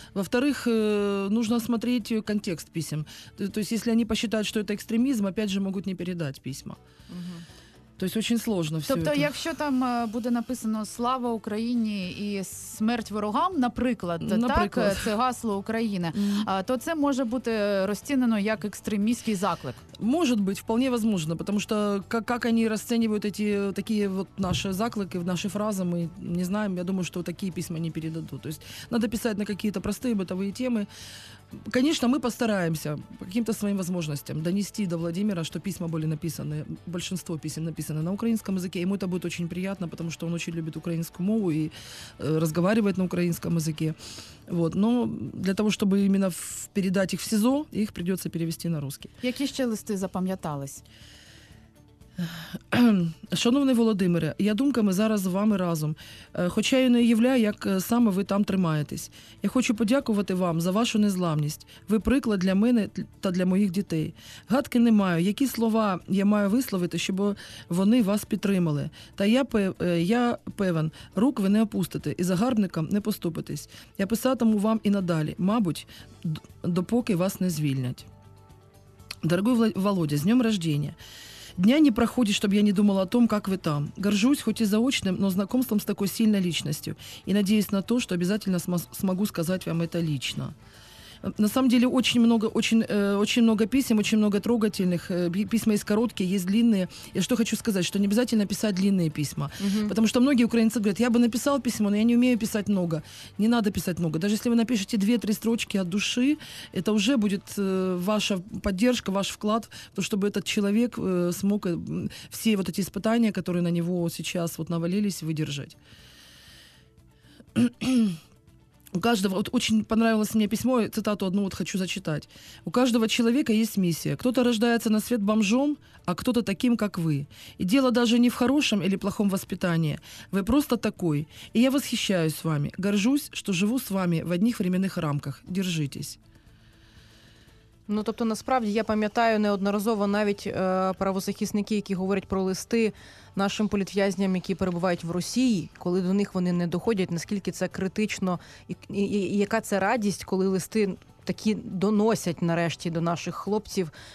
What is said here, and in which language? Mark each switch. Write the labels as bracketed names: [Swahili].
[Russian] Во-вторых, нужно смотреть контекст писем. То есть, если они посчитают, что это экстремизм, опять же, могут не передать письма. То есть, очень сложно все [Ukrainian] тобто, [Russian] это. [Ukrainian] Тобто, якщо там буде написано «Слава Україні» і «Смерть ворогам», наприклад, так, це гасло України, то це може бути розцінено як екстремістський заклик. [Russian] Может быть, вполне возможно, потому что как они расценивают эти такие вот наши заклики, наши фразы, мы не знаем. Я думаю, что такие письма не передадут. То есть надо писать на какие-то простые бытовые темы. Конечно, мы постараемся по каким-то своим возможностям донести до Владимира, что письма были написаны, большинство писем написано на украинском языке. Ему это будет очень приятно, потому что он очень любит украинскую мову и разговаривает на украинском языке. Вот. Но для того, чтобы именно передать их в СИЗО, их придется перевести на русский. Какие еще [Ukrainian] листы запам'ятались? Шановний Володимире, я думками зараз з вами разом. Хоча я не уявляю, як саме ви там тримаєтесь. Я хочу подякувати вам за вашу незламність. Ви приклад для мене та для моїх дітей. Гадки не маю, які слова я маю висловити, щоб вони вас підтримали. Та я певен, рук ви не опустите і загарбникам не поступитесь. Я писатиму вам і надалі, мабуть, допоки вас не звільнять. [Russian] Дорогой Володя, з днем рождения. Дня не проходит, чтобы я не думала о том, как вы там. Горжусь, хоть и заочным, но знакомством с такой сильной личностью. И надеюсь на то, что обязательно смогу сказать вам это лично. На самом деле очень много, очень много писем, очень много трогательных. Письма есть короткие, есть длинные. Я что хочу сказать, что не обязательно писать длинные письма. Угу. Потому что многие украинцы говорят, я бы написал письмо, но я не умею писать много. Не надо писать много. Даже если вы напишете 2-3 строчки от души, это уже будет ваша поддержка, ваш вклад, в то, чтобы этот человек смог все вот эти испытания, которые на него сейчас вот навалились, выдержать. У каждого, вот очень понравилось мне письмо, цитату одну вот хочу зачитать. У каждого человека есть миссия. Кто-то рождается на свет бомжом, а кто-то таким, как вы. И дело даже не в хорошем или плохом воспитании. Вы просто такой. И я восхищаюсь вами. Горжусь, что живу с вами в одних временных рамках. Держитесь. [Ukrainian] Ну, тобто, насправді, я пам'ятаю неодноразово навіть правозахисники, які говорять про листи нашим політв'язням, які перебувають в Росії, коли до них вони не доходять, наскільки це критично і яка це радість, коли листи такі доносять нарешті до наших хлопців.